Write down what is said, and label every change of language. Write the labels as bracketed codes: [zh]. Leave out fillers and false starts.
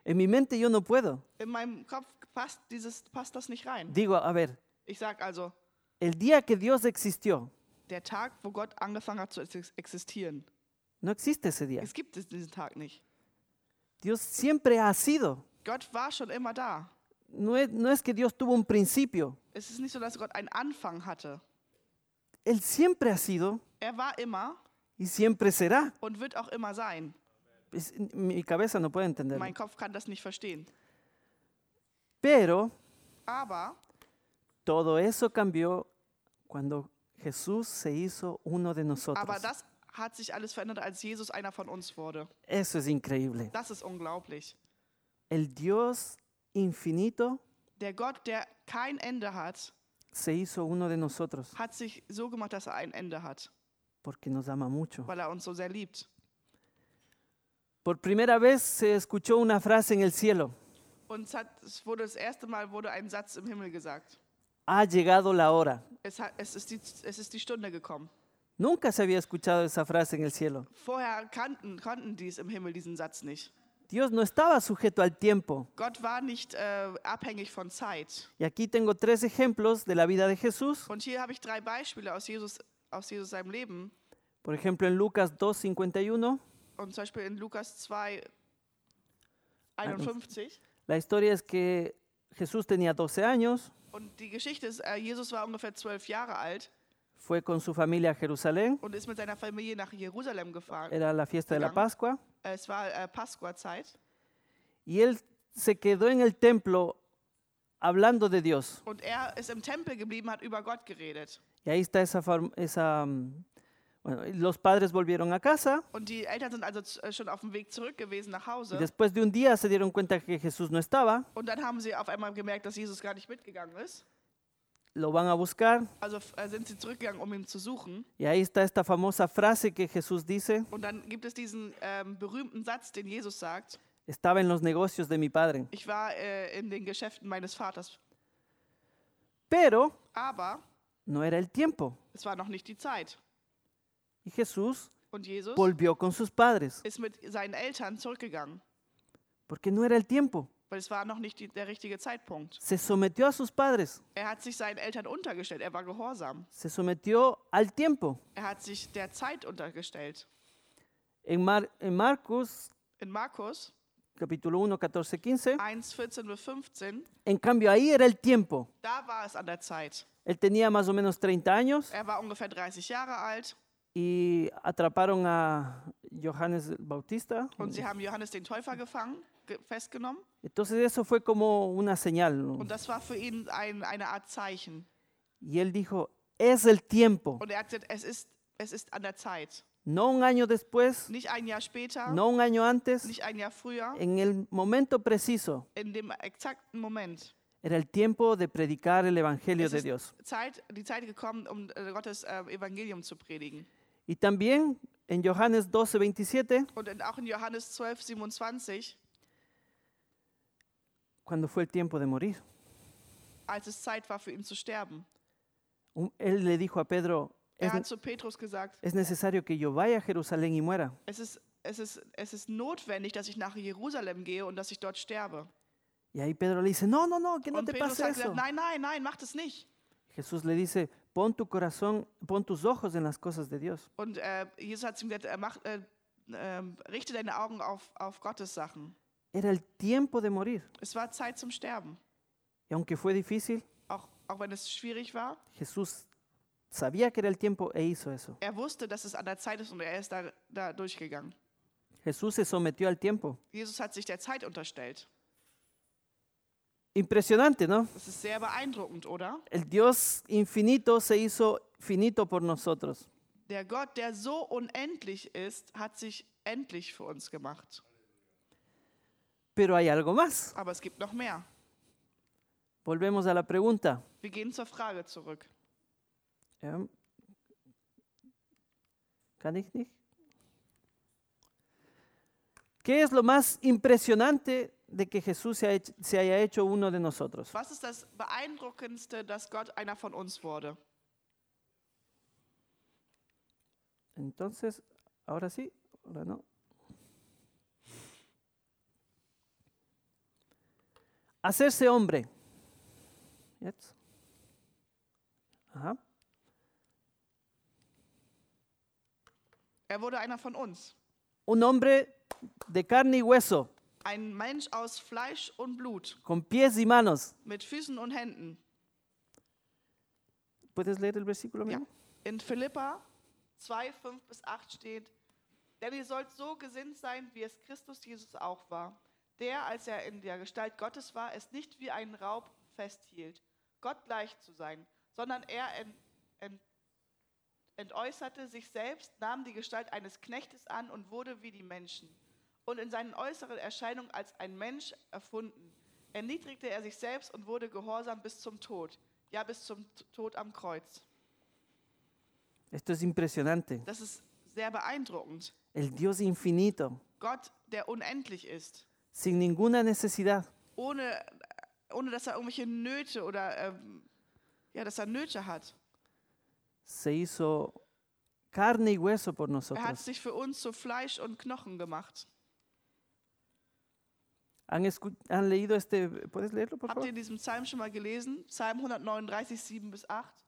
[es] En mi mente yo no puedo. [de] In meinem Kopf passt dieses passt das nicht rein. [es] Digo, a ver. [de] Ich sag also, [es] el día que Dios existió. [de] Der Tag, wo Gott angefangen hat zu existieren. [es] No existe ese día. [de] Es gibt es diesen Tag nicht. [es] Dios siempre ha sido. [de] Gott war schon immer da. [es] No es que Dios tuvo un principio. [de] Es ist nicht so, dass Gott einen Anfang hatte. [es] Él siempre ha sido. [de] Er war immer. [es] Y siempre será. [de] Und wird auch immer sein. [es] Mi cabeza no puede entenderlo. [de] Mein Kopf kann das nicht verstehen. [es] Pero. [de] Aber. [es] Todo eso cambió cuando Jesús se hizo uno de nosotros. [de] Aber das hat sich alles verändert, als Jesus einer von uns wurde. [es] Eso es increíble. [de] Das ist unglaublich. [es] El Dios infinito. [de] Der Gott, der kein Ende hat, [es] se hizo uno de nosotros, [de] hat sich so gemacht, dass er ein Ende hat, [es] porque nos ama mucho, [de] weil er uns so sehr liebt. [es] Por primera vez se escuchó una frase en el cielo. [de] Und es wurde das erste Mal wurde ein Satz im Himmel gesagt. [es] Ha llegado la hora. [de] Es ist die Stunde gekommen. [es] Nunca se había escuchado esa frase en el cielo. [de] Vorher konnten die es im Himmel diesen Satz nicht. [es] Dios no estaba sujeto al tiempo. [de] Gott war nicht abhängig von Zeit. [es] Y aquí tengo tres ejemplos de la vida de Jesús. [de] Und hier habe ich drei Beispiele aus Jesus seinem Leben. [es] Por ejemplo, en Lucas 2:51. [de] Und zum Beispiel in Lukas 2:51. [es] La historia es que Jesús tenía 12 años. [de] Und die Geschichte ist, Jesus war ungefähr 12 Jahre alt. [es] Fue con su familia a Jerusalén. [de] Und ist mit seiner Familie nach Jerusalem gefahren. [es] Era la fiesta [de] gegangen. [es] De la Pascua. [de] Es war Pascua-Zeit. [es] Y él se quedó en el templo hablando de Dios. [de] Und er ist im Tempel geblieben, hat über Gott geredet. [es] Y ahí está esa bueno, los padres volvieron a casa. [de] Und die Eltern sind also schon auf dem Weg zurück gewesen nach Hause. [es] Y después de un día se dieron cuenta que Jesús no estaba. [de] Und dann haben sie auf einmal gemerkt, dass Jesus gar nicht mitgegangen ist. [es] Lo van a buscar. [de] Also sind sie zurückgegangen, um ihn zu suchen. [es] Y ahí está esta famosa frase que Jesús dice. [de] Und dann gibt es diesen berühmten Satz, den Jesus sagt. [es] Estaba en los negocios de mi padre. [de] Ich war in den Geschäften meines Vaters. [es] Pero. [de] Aber. [es] No era el tiempo. [de] Es war noch nicht die Zeit. [es] Y Jesús. [de] Und Jesus. [es] Volvió con sus padres. [de] Ist mit seinen Eltern zurückgegangen. [es] Porque no era el tiempo. [de] Weil es war noch nicht der richtige Zeitpunkt. [es] Se sometió a sus padres. [de] Er hat sich seinen Eltern untergestellt. Er war gehorsam. [es] Se sometió al tiempo. [de] Er hat sich der Zeit untergestellt. In Markus, Kapitel 1:14-15. [es] En cambio, ahí era el tiempo. [de] Da war es an der Zeit. [es] Él tenía más o menos 30 años. [de] Er war ungefähr 30 Jahre alt. [es] Y atraparon a Johannes Bautista. [de] Und sie haben Johannes den Täufer gefangen. Festgenommen. [es] Entonces eso fue como una señal. [de] Und das war für ihn eine Art Zeichen. [es] Y él dijo, es el tiempo. [de] Und er hat gesagt, es ist an der Zeit. [es] No un año después, [de] nicht ein Jahr später. [es] No un año antes, [de] nicht ein Jahr früher. [es] En el momento preciso, [de] in dem exakten Moment. [es] Era el tiempo de predicar el Evangelio es de Dios. [de] Die Zeit gekommen, um Gottes Evangelium zu predigen. [es] Y también en Johannes 12:27. [de] Und auch in Johannes 12:27. [es] Cuando fue el tiempo de morir. [de] Als es Zeit war für ihn zu sterben. [es] Él le dijo a Pedro, [de] er hat zu Petrus gesagt, [es] es necesario que yo vaya a Jerusalén y muera. [de] Es ist notwendig, dass ich nach Jerusalem gehe und dass ich dort sterbe. [es] Y ahí Pedro le dice, no, que no te pase eso. [de] Und Petrus sagt, nein, mach das nicht. [es] Jesús le dice, pon tu corazón, pon tus ojos en las cosas de Dios. [de] Und Jesus hat ihm gesagt, richte deine Augen auf Gottes Sachen. [es] Era el tiempo de morir. [de] Es war Zeit zum Sterben. [es] Y aunque fue difícil, [de] auch wenn es schwierig war, [es] Jesús sabía que era el tiempo e hizo eso. [de] Er wusste, dass es an der Zeit ist und er ist da durchgegangen. [es] Jesús se sometió al tiempo. [de] Jesus hat sich der Zeit unterstellt. [es] Impresionante, ¿no? [de] Das ist sehr beeindruckend, oder? [es] El Dios infinito se hizo finito por nosotros. [de] Der Gott, der so unendlich ist, hat sich endlich für uns gemacht. [es] Pero hay algo más. [de] Aber es gibt noch mehr. [es] Volvemos a la pregunta. [de] Wir gehen zur Frage zurück. Ja. Kann ich nicht? [es] ¿Qué es lo más impresionante de que Jesús se haya hecho uno de nosotros? [de] Was ist das Beeindruckendste, dass Gott einer von uns wurde? [es] Entonces, ahora sí, ahora no. Hacerse hombre. [de] Jetzt. Aha. Er wurde einer von uns. [es] Un hombre de carne y hueso. [de] Ein Mensch aus Fleisch und Blut. [es] Con pies y manos. [de] Mit Füßen und Händen. [es] ¿Puedes leer el versículo? [de] Ja. In Philippa 2, 5 bis 8 steht, denn ihr sollt so gesinnt sein, wie es Christus Jesus auch war, der, als er in der Gestalt Gottes war, es nicht wie ein Raub festhielt, Gott gleich zu sein, sondern er entäußerte sich selbst, nahm die Gestalt eines Knechtes an und wurde wie die Menschen. Und in seinen äußeren Erscheinungen als ein Mensch erfunden, erniedrigte er sich selbst und wurde gehorsam bis zum Tod, ja bis zum Tod am Kreuz. [es] Esto es impresionante. [de] Das ist sehr beeindruckend. [es] El Dios infinito. [de] Gott, der unendlich ist. [es] Sin ninguna necesidad. [de] Ohne dass er irgendwelche Nöte oder dass er Nöte hat. [es] Se hizo carne y hueso por nosotros. [de] Er hat sich für uns zu Fleisch und Knochen gemacht. [es] Han leído este, ¿puedes leerlo, por favor? [de] Habt ihr in diesem Psalm schon mal gelesen? Psalm 139, 7 bis 8.